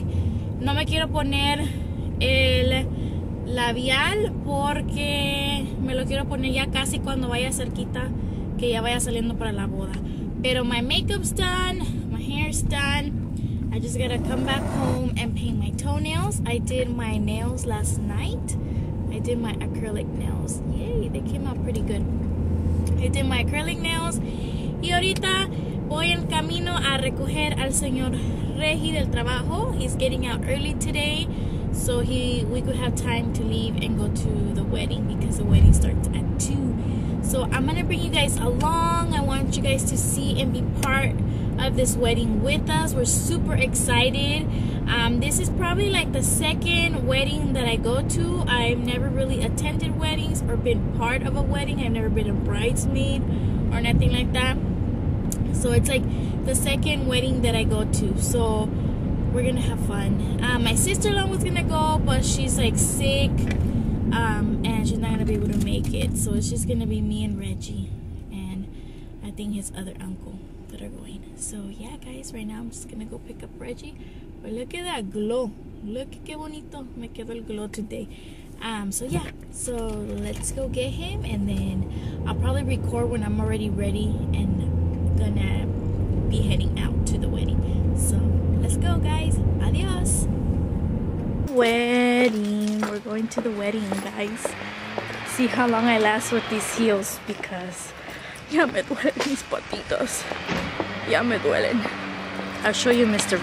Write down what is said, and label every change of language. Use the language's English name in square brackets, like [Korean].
[Spanish] No me quiero poner el labial porque me lo quiero poner ya casi cuando vaya cerquita que ya vaya saliendo para la boda. [English] Pero my makeup's done. My hair's done. I just gotta come back home and paint my toenails. I did my nails last night. I did my acrylic nails. Yay, they came out pretty good. I did my acrylic nails. [Spanish] Y ahorita voy en camino a recoger al señor Regi del trabajo. [English] He's getting out early today, so we could have time to leave and go to the wedding because the wedding starts at 2. So I'm going to bring you guys along. I want you guys to see and be part of this wedding with us. We're super excited. This is probably like the second wedding that I go to. I've never really attended weddings or been part of a wedding. I've never been a bridesmaid or anything like that. So it's like the second wedding that I go to. So we're going to have fun. My sister-in-law was going to go, but she's like sick. And she's not going to be able to make it. So it's just going to be me and Reggie and I think his other uncle that are going. So yeah, guys, right now I'm just going to go pick up Reggie. But look at that glow. [Spanish] Look qué bonito me quedó el glow today. [English] So let's go get him and then I'll probably record when I'm already ready and gonna be heading out to the wedding. So let's go, guys. Adios. Wedding. We're going to the wedding, guys. See how long I last with these heels because [Spanish] ya me duelen mis patitas. Ya me duelen. [English] I'll show you Mr.